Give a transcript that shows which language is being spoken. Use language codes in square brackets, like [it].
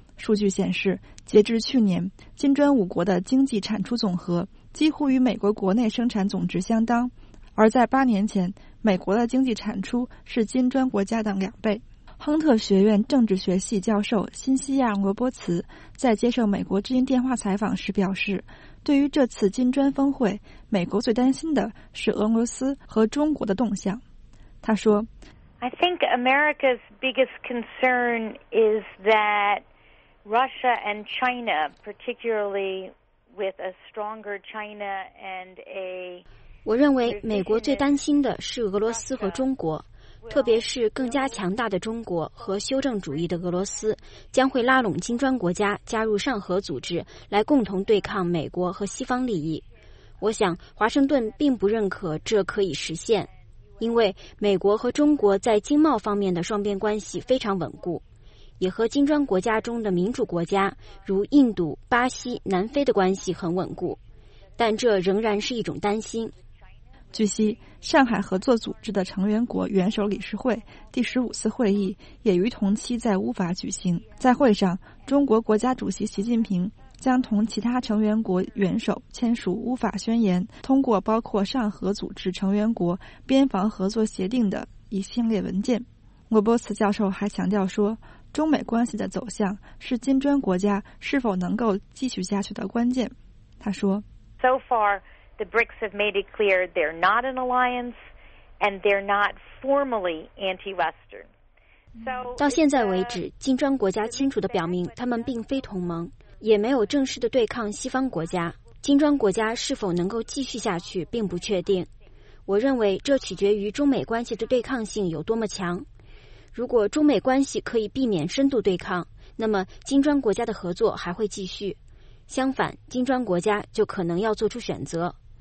[zh] 数据显示，截至去年，金砖五国的经济产出总和几乎与美国国内生产总值相当，而在8年前，美国的经济产出是金砖国家的2倍。亨特学院政治学系教授辛西亚·罗伯茨在接受美国之音电话采访时表示，对于这次金砖峰会，美国最担心的是俄罗斯和中国的动向。他说， [en] I think America's biggest concern is that Russia and China, particularly with a stronger China and a [zh] 我认为美国最担心的是俄罗斯和中国，特别是更加强大的中国和修正主义的俄罗斯将会拉拢金砖国家加入上合组织，来共同对抗美国和西方利益。我想华盛顿并不认可这可以实现，因为美国和中国在经贸方面的双边关系非常稳固，也和金砖国家中的民主国家如印度、巴西、南非的关系很稳固，但这仍然是一种担心。据悉，上海合作组织的成员国元首理事会第十五次会议也于同期在乌法举行。在会上，中国国家主席习近平将同其他成员国元首签署乌法宣言，通过包括上合组织成员国边防合作协定的一系列文件。莫波茨教授还强调说，中美关系的走向是金砖国家是否能够继续下去的关键。他说 [en] ：“So far, the BRICS have made it clear they're not an alliance, and they're not formally anti-Western.” [zh] 到现在为止，金砖国家清楚地表明，他们并非同盟，也没有正式的对抗西方国家。金砖国家是否能够继续下去，并不确定。我认为这取决于中美关系的对抗性有多么强。如果中美关系可以避免深度对抗，那么金砖国家的合作还会继续，相反，金砖国家就可能要做出选择。